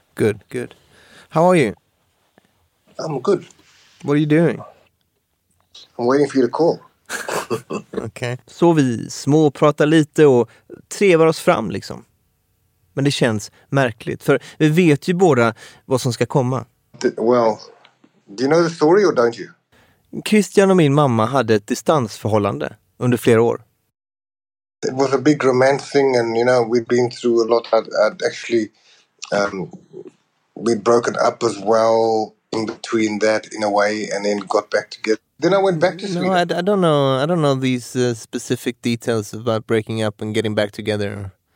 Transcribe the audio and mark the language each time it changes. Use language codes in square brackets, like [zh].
[en] Good, good. How are you? I'm good. What are you doing? I'm waiting for you to call. Okay. [sv] Så vi småpratar lite och trevar oss fram liksom. Men det känns märkligt, för vi vet ju båda vad som ska komma. [en] Well, do you know the story or don't you? [sv] Christian och min mamma hade ett distansförhållande under flera år. [en] It was a big romance thing, and you know, we'd been through a lot. I'd actually, we'd broken up as well in between that, in a way, and then got back together. Then I went back to Sweden. No, I don't know. I don't know these specific details about breaking up and getting back together.